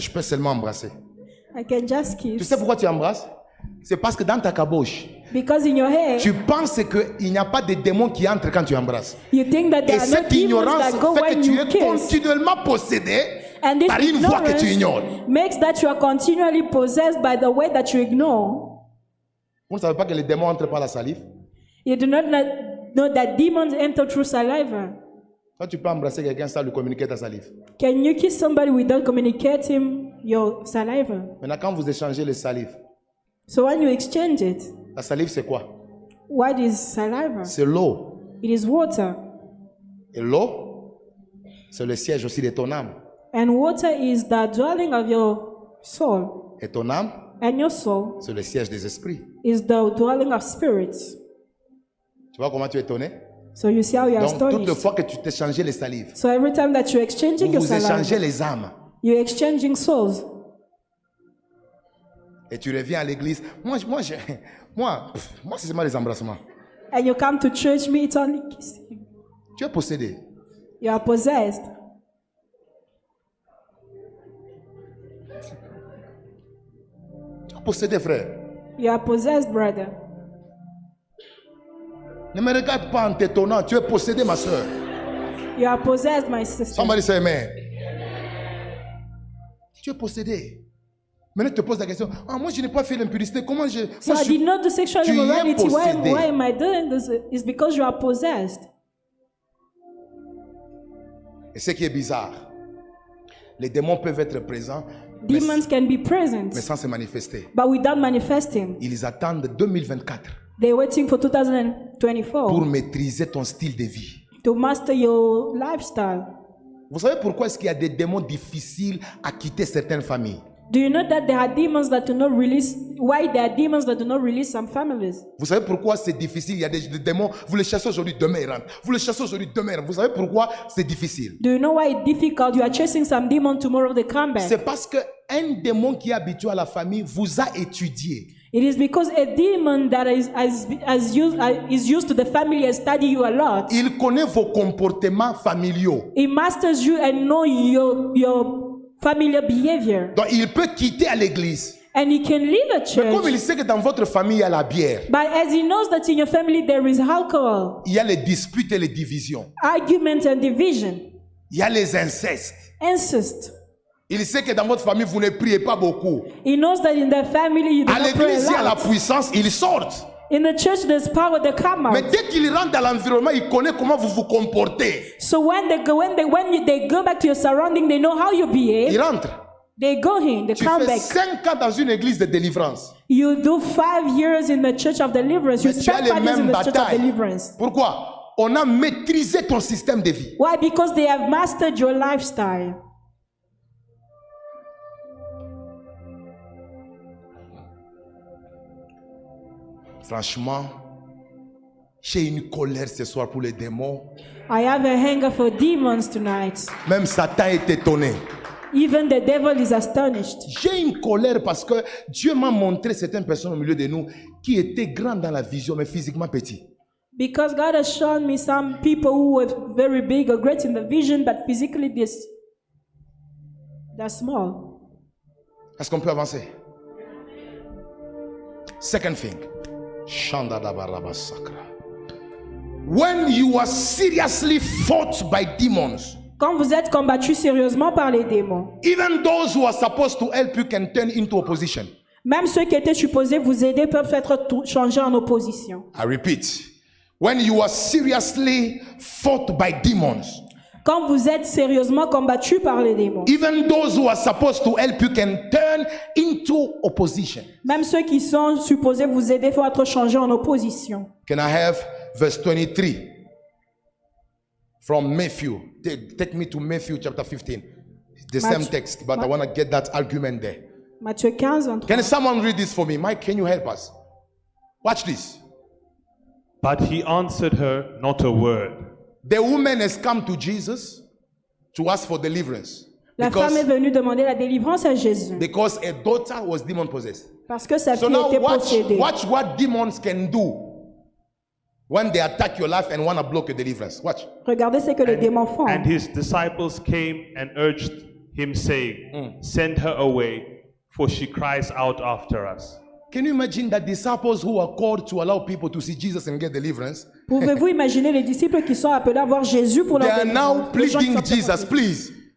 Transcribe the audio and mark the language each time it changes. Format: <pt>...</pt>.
<fr>Je peux seulement embrasser.</fr> <en>I can just kiss.</en> <fr>Tu sais pourquoi tu embrasses? C'est parce que dans ta caboche,</fr> <en>because in your head,</en> <fr>tu penses qu'il n'y a pas de démons qui entrent quand tu embrasses.</fr> <en>You think that there</en> <fr>et cette</fr> <en>are no</en> <fr>ignorance</fr> <en>demons that go</en> <fr>fait</fr> <en>when</en> <fr>que tu</fr> <en>you</en> <fr>es</fr> <en>kiss.</en> <fr>Continuellement possédé par une voix que tu ignores.</fr> <en>Makes that you are continually possessed by the way that you ignore.</en> <fr>Vous ne savez pas que les démons entrent par la salive?</fr> <en>You do not know that demons enter through saliva.</en> <fr>Quand tu peux embrasser quelqu'un sans lui communiquer ta salive?</fr> <en>Can you kiss somebody without communicating your saliva?</en> <fr>Maintenant, quand vous échangez les salives,</fr> <en>so when you exchange it,</en> <fr>la salive c'est quoi?</fr> <en>What is saliva?</en> <fr>C'est l'eau.</fr> <en>It is water.</en> <fr>Et l'eau, c'est le siège aussi de ton âme.</fr> <en>And water is the dwelling of your soul.</en> <fr>Et ton âme,</fr> <en>and your soul,</en> <fr>c'est le siège des esprits.</fr> <en>Is the dwelling of spirits.</en> <fr>Tu vois comment tu es étonné?</fr> <en>So you see how you are astonished.</en> <fr>Donc toutes les fois que tu t'es changé les salives.</fr> <en>So every time that you're exchanging</en> <fr>vous</fr> <en>your saliva,</en> <fr>les âmes.</fr> <en>You're exchanging souls.</en> <fr>Et tu reviens à l'église. Moi c'est seulement les embrassements.</fr> <en>And you come to church, me it's only kissing.</en> <fr>Tu es possédé.</fr> <en>You are possessed.</en> <fr>Tu es possédé, frère.</fr> <en>You are possessed, brother.</en> <fr>Ne me regarde pas en t'étonnant. Tu es possédé, ma soeur.</fr> <en>You are possessed, my sister. Somebody say amen.</en> <fr>Tu es possédé. Maintenant, tu te poses la question. Ah, moi, je n'ai pas fait l'impudicité. Comment je.</fr> <en>So</en> <fr>moi,</fr> <en>I did not do sexual immorality. Why am I doing this? It's because you are possessed.</en> <fr>Et ce qui est bizarre, les démons peuvent être présents.</fr> <en>Demons can be present.</en> <fr>Mais sans se manifester.</fr> <en>But without manifesting.</en> <fr>Ils attendent 2024.</fr> <en>They're waiting for 2024.</en> <fr>Pour maîtriser ton style de vie.</fr> <en>To master your lifestyle.</en> <fr>Vous savez pourquoi est-ce qu'il y a des démons difficiles à quitter certaines familles?</fr> <en>Do you know that there are demons that do not release? Why there are demons that do not release some families?</en> <fr>Vous savez pourquoi c'est difficile? Il y a des démons. Vous les chassez aujourd'hui, demain ils rentrent. Vous les chassez aujourd'hui, demain ils rentrent. Vous savez pourquoi c'est difficile?</fr> <en>Do you know why it's difficult? You are chasing some demon, tomorrow they come back.</en> <fr>C'est parce que un démon qui est habitué à la famille vous a étudié.</fr> <en>It is because a demon that is used to the family has studied you a lot.</en> <fr>Il connaît vos comportements familiaux.</fr> <en>It masters you and know your familiar behavior.</en> <fr>Donc il peut quitter à l'église.</fr> <en>And he can leave a church.</en> <fr>Mais comme il sait que dans votre famille il y a la bière.</fr> <en>But as he knows that in your family there is alcohol.</en> <fr>Il y a les disputes et les divisions.</fr> <en>Arguments and division.</en> <fr>Il y a les incestes.</fr> <en>Incest.</en> <fr>Il sait que dans votre famille vous ne priez pas beaucoup.</fr> <en>He knows that in the family you do not pray.</en> <fr>À l'église il y a la puissance, il sort.</fr> <en>In the church there's power, they come out.</en> <fr>Mais dès qu'il rentre dans l'environnement, il connaît comment vous vous comportez.</fr> <en>So when they go back to your surrounding, they know how you behave.</en> <fr>Il rentre.</fr> <en>They go in, they</en> <fr>tu</fr> <en>come</en> <fr>fais</fr> <en>back.</en> <fr>5 ans dans une église de délivrance.</fr> <en>You do 5 years in the church of deliverance.</en> <fr>Mais</fr> <en>you spend 5 years in the</en> <fr>bataille.</fr> <en>Church of deliverance.</en> <fr>Pourquoi? On a maîtrisé ton système de vie.</fr> <en>Why? Because they have mastered your lifestyle.</en> <fr>Franchement, J'ai une colère ce soir pour les démons.</fr> <en>I have a hunger for demons tonight.</en> <fr>Même Satan est étonné.</fr> <en>Even the devil is astonished.</en> <fr>J'ai une colère parce que Dieu m'a montré certaines personnes au milieu de nous qui étaient grandes dans la vision mais physiquement petites.</fr> <en>Because God has shown me some people who were very big or great in the vision but physically they're small.</en> <fr>Est-ce qu'on peut avancer?</fr> <en>Second thing. Shanda dabaraba sakra. When you are seriously fought by demons.</en> <fr>Quand vous êtes combattu sérieusement par les démons.</fr> <en>Even those who are supposed to help you can turn into opposition.</en> <fr>Même ceux qui étaient supposés vous aider peuvent être changés en opposition.</fr> <en>I repeat. When you are seriously fought by demons.</en> <fr>Quand vous êtes sérieusement combattu par les démons.</fr> <en>Even those who are supposed to help you can turn into opposition.</en> <fr>Même ceux qui sont supposés vous aider peuvent être changés en opposition.</fr> <en>Can I have verse 23 from Matthew? Take me to Matthew chapter 15. The same text, but I want to get that argument there.</en> <fr>Matthieu 15.</fr> <en>Can someone read this for me? Mike, can you help us? Watch this. But he answered her not a word. The woman has come to Jesus to ask for deliverance.</en> <fr>La femme est venue demander la délivrance à Jésus.</fr> <en>Because her daughter was demon possessed.</en> <fr>Parce que sa fille était possédée.</fr> <en>So now watch what demons can do. When they attack your life and want to block your deliverance. Watch.</en> <fr>Regardez ce que les démons font.</fr> <en>And his disciples came and urged him saying, send her away for she cries out after us. Can you imagine that disciples who are called to allow people to see Jesus and get deliverance?</en> <fr>Pouvez-vous imaginer les disciples qui sont appelés à voir Jésus pour leur délivrance?</fr> <en>They are now pleading Jesus, please.</en>